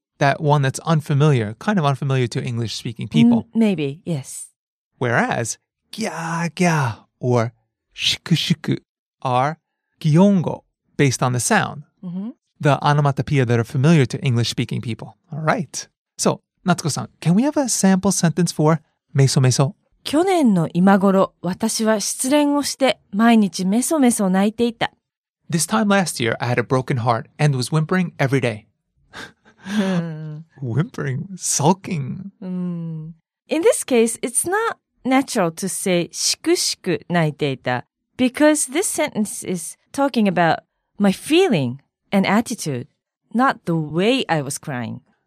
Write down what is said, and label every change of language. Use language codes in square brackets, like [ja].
[en] That one that's unfamiliar, kind of unfamiliar to English speaking people. Maybe, yes. Whereas, gya gya or shiku shiku are gyongo based on the sound, the onomatopoeia that are familiar to English speaking people. All right. So, Natsuko-san, can we have a sample sentence for meso meso? [ja] 去年の今頃、私は失恋をして毎日メソメソ泣いていた。 [en] This time last year, I had a broken heart and was whimpering every day. Whimpering, sulking. In this case, it's not natural to say [ja] shiku shiku naiteita [en] because this sentence is talking about my feeling and attitude, not the way I was crying.